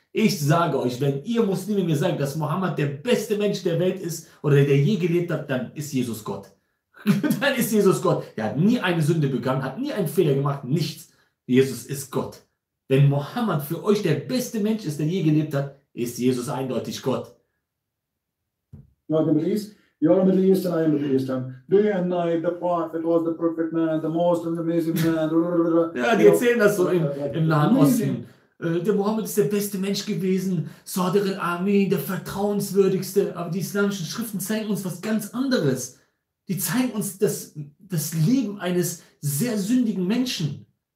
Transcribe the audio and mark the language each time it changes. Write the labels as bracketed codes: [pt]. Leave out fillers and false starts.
[de] Ich sage euch, wenn ihr Muslime mir sagt, dass Mohammed der beste Mensch der Welt ist oder der je gelebt hat, dann ist Jesus Gott. Dann ist Jesus Gott. Er hat nie eine Sünde begangen, hat nie einen Fehler gemacht, nichts. Jesus ist Gott. Wenn Mohammed für euch der beste Mensch ist, der je gelebt hat, ist Jesus eindeutig Gott. [en] You are the Middle East, you are the Middle East, and I am the Middle East. Day and night, the prophet was the perfect man, the most amazing man. [de] Ja, die erzählen das so im Nahen Osten. Der Mohammed ist der beste Mensch gewesen, Sadr al-Amin, der vertrauenswürdigste. Aber die islamischen Schriften zeigen uns was ganz anderes. Die zeigen uns das Leben eines sehr sündigen Menschen.